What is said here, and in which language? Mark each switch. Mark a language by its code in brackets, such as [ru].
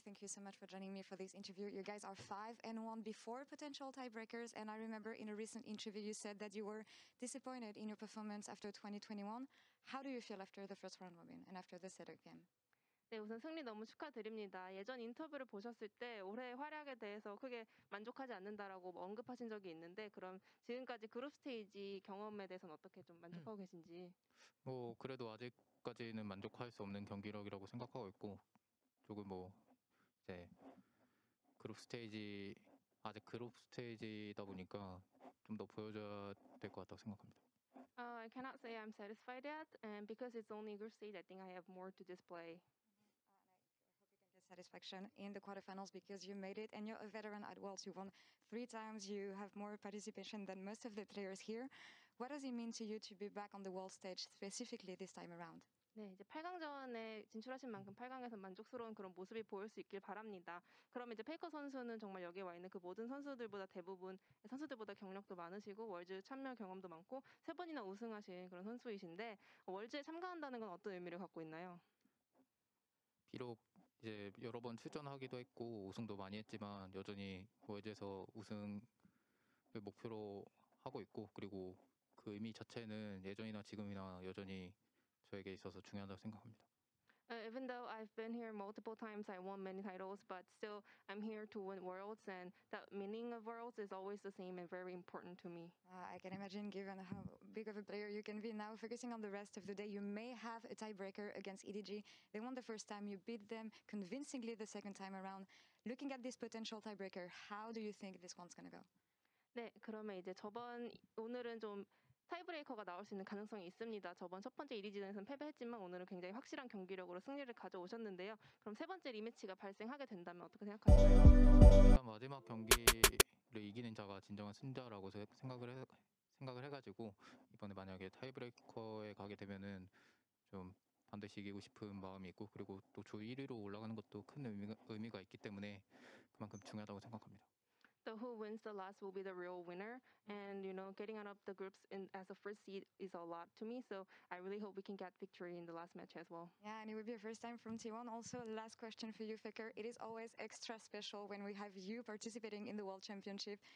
[en] Thank you so much for joining me for this interview. You guys are 5-1 before potential tiebreakers. And I remember in a recent interview, you said that you were disappointed in your performance after 2021. How do you feel after the first round robin and after the setup game? [ko] 네, 우선 승리 너무 축하드립니다. 예전 인터뷰를 보셨을 때 올해 활약에 대해서 크게 만족하지 않는다라고 뭐 언급하신 적이 있는데 그럼 지금까지 그룹 스테이지 경험에 대해서는 어떻게 좀 만족하고 계신지? 뭐 그래도 아직까지는 만족할 수 없는 경기력이라고 생각하고 있고 조금 뭐 이제 그룹 스테이지 아직 그룹 스테이지다 보니까 좀 더 보여줘야 될 것 같다고 생각합니다. [en] I cannot say I'm satisfied yet, and because it's only group stage, I think I have more to display. The satisfaction in the quarterfinals because you made it and you're a veteran at Worlds. You won 3 times. You have more participation than most of the players here. What does it mean to you to be back on the world stage specifically this time around? [ko] 네, 이제 8강전에 진출하신 만큼 8강에서 만족스러운 그런 모습이 보일 수 있길 바랍니다. 그럼 이제 페이커 선수는 정말 여기 와 있는 그 모든 선수들보다 대부분 선수들보다 경력도 많으시고 월즈 참여 경험도 많고 세 번이나 우승하신 그런 선수이신데 월즈에 참가한다는 건 어떤 의미를 갖고 있나요? 비록 이제 여러 번 출전하기도 했고 우승도 많이 했지만 여전히 월즈에서 우승을 목표로 하고 있고 그리고 그 의미 자체는 예전이나 지금이나 여전히 저에게 있어서 중요하다고 생각합니다. [en] Even though I've been here multiple times, I won many titles, but still I'm here to win Worlds, and that meaning of Worlds is always the same and very important to me. I can imagine, given how big of a player you can be now, focusing on the rest of the day, you may have a tiebreaker against EDG. They won the first time, you beat them convincingly the second time around. Looking at this potential tiebreaker, how do you think this one's going to go? [ko] 네, 그러면 이제 저번 오늘은 좀 타이브레이커가 나올 수 있는 가능성이 있습니다. 저번 첫 번째 EDG전에서는 패배했지만 오늘은 굉장히 확실한 경기력으로 승리를 가져오셨는데요. 그럼 세 번째 리매치가 발생하게 된다면 어떻게 생각하세요? 마지막 경기를 이기는 자가 진정한 승자라고 생각을 해가지고 이번에 만약에 타이브레이커에 가게 되면은 좀 반드시 이기고 싶은 마음이 있고 그리고 또 조 1위로 올라가는 것도 큰 의미가 있기 때문에 그만큼 중요하다고 생각합니다. [en] So who wins the last will be the real winner. And, you know, getting out of the groups as a first seed is a lot to me. So I really hope we can get victory in the last match as well. Yeah, and it will be your first time from T1. Also, last question for you, Faker. It is always extra special when we have you participating in the World Championship.